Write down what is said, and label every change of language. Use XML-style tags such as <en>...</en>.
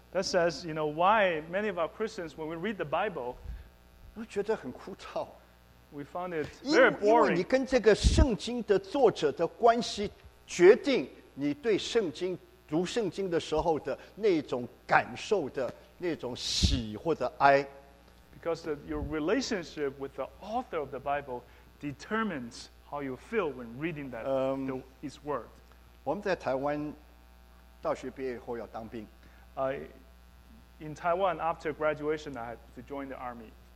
<en>that says, you know, why many of our Christians, when we read the Bible,</en> <zh>都觉得很枯燥。</zh> <en>We found it very boring.</en> <zh>因为你跟这个圣经的作者的关系决定你对圣经读圣经的时候的那种感受的那种喜或者哀。</zh> <en>Because your relationship with the author of the Bible determines how you feel when reading that its word.</en> <zh>我们在台湾大学毕业以后要当兵。</zh> <en>In Taiwan, after graduation, I had to join the army.</en>